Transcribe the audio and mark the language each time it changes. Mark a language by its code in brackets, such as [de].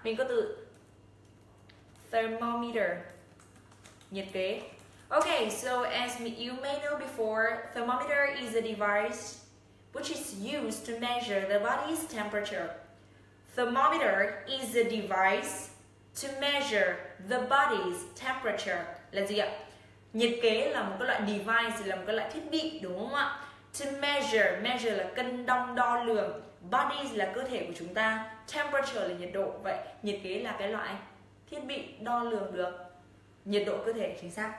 [vi] Mình có từ thermometer, nhiệt kế. [en] Ok, so as you may know before, thermometer is a device which is used to measure the body's temperature. Thermometer is a device to measure the body's temperature. [vi] Là gì ạ? Nhiệt kế là một cái loại device, là một cái loại thiết bị, đúng không ạ? To measure là cân đong đo lường. Body là cơ thể của chúng ta. Temperature là nhiệt độ. Vậy nhiệt kế là cái loại thiết bị đo lường được nhiệt độ cơ thể, chính xác.